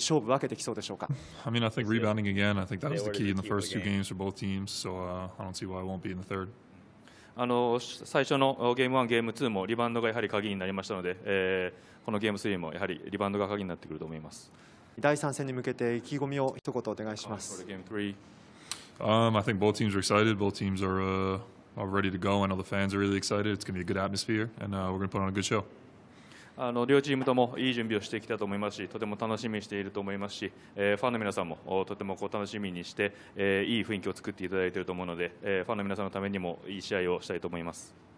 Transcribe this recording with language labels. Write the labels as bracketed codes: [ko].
[en] I mean, I think rebounding again, I think that was the key in the first two games for both teams, so I don't see why it won't be in the third. [ja] 最初のゲーム1、ゲーム2もリバウンドがやはり鍵になりましたので、このゲーム3もやはりリバウンドが鍵になってくると思います。第3戦に向けて意気込みを一言お願いします。 [en] I think both teams are excited. Both teams are ready to go. I know the fans are really excited. It's going to be a good atmosphere, and we're going to put on a good show. [ja] 両チームともいい準備をしてきたと思いますし、とても楽しみにしていると思いますし、ファンの皆さんもとてもこう楽しみにして、いい雰囲気を作っていただいていると思うので、ファンの皆さんのためにもいい試合をしたいと思います。